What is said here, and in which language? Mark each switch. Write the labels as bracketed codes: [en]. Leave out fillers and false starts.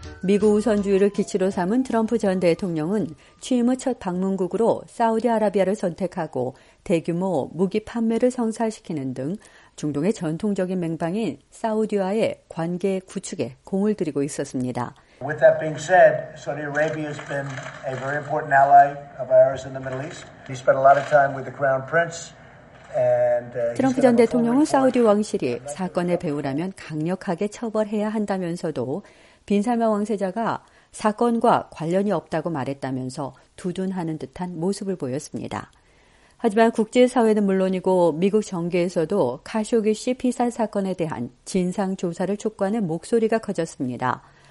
[ko] 미국 우선주의를 기치로 삼은 트럼프 전 대통령은 취임 후 첫 방문국으로 사우디아라비아를 선택하고 대규모 무기 판매를 성사시키는 등 중동의 전통적인 맹방인 사우디와의 관계 구축에 공을 들이고 있었습니다. [en] With that being said, Saudi Arabia has been a very important ally of ours in the Middle East. He spent a lot of time with the Crown Prince. [ko] 트럼프 전 대통령은 사우디 왕실이 사건의 배후라면 강력하게 처벌해야 한다면서도 빈살만 왕세자가 사건과 관련이 없다고 말했다면서 두둔하는 듯한 모습을 보였습니다. 하지만 국제사회는 물론이고 미국 정계에서도 카쇼기 씨 피살 사건에 대한 진상 조사를 촉구하는 목소리가 커졌습니다.